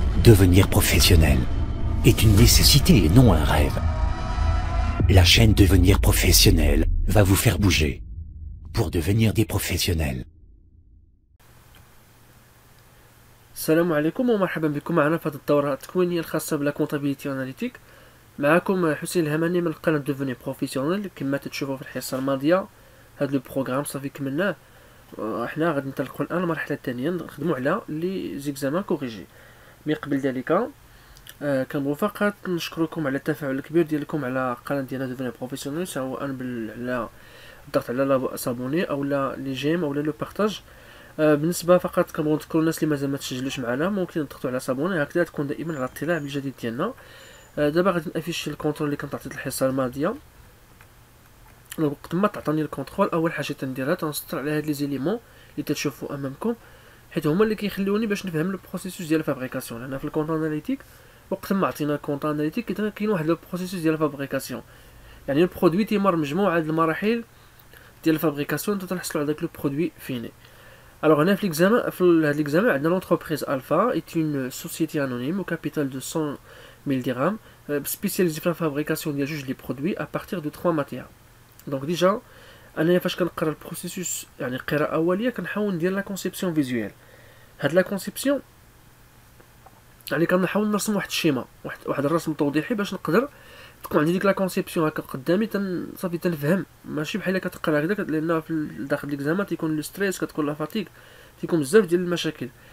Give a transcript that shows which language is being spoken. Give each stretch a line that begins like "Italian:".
French: Devenir professionnel est une nécessité et non un rêve. La chaîne Devenir professionnel va vous faire bouger pour devenir des professionnels.
Arabic: السلام عليكم ومرحبا بكم معنا في هذه الدورة التكوينية الخاصة بلا كونتابيليتي اناليتيك. معكم حسين الهمني من قناة دوفوني بروفيسيونيل. كما تشوفوا في الحصة الماضية هذا البروغرام صافي كملناه، احنا غادي ننتقلوا الان للمرحلة الثانية نخدموا على لي زيكزامان كوريجي. مي قبل ذلك كنبغي فقط نشكركم على التفاعل الكبير ديالكم على القناة ديالنا دوفوني بروفيسيونيل، سواء على الضغط على لابوني او لا لي جيم او لو بارتاج. بالنسبه فقط كنبغي نذكر الناس اللي مازال ما تسجلوش معنا، ممكن تضغطوا على صابون هكذا تكون دائما على اطلاع بالجديد ديالنا. دابا غادي نافيشي الكونترول اللي كنت عطيت الحصه الماضيه. وقت ما تعطيني الكونترول اول حاجه تنديرها تنسطر على هاد لي زيليمون اللي تشوفوا امامكم، حيت هما اللي كيخليوني باش نفهم لو بروسيسوس ديال الفابريكاسيون. هنا في الكونتر اناليتيك وقت ما عطينا الكونتر اناليتيك كاين واحد لو بروسيسوس ديال الفابريكاسيون، يعني البرودوي تيمر مجموعه ديال المراحل ديال الفابريكاسيون حتى تنحصلوا على داك لو برودوي فيني.
French: Alors, on a l'examen, on a l'entreprise Alpha, est une société anonyme au capital de 100 000 dirhams, spécialisée dans la fabrication des juges les produits à partir de trois matières. Donc, déjà, on a fait le processus, on a fait la conception visuelle.
Arabic: Had
French: la conception, on a fait un schéma, un
Arabic: rasme tawdihi باش نقدر تكون عندي ديك لا كونسيبسيون هكا قدامي صافي تنفهم، ماشي بحال اللي كتقرا هكذاك، لان في داخل ليكزام تيكون لو ستريس كتكون لا فاتيك تيكون بزاف ديال المشاكل.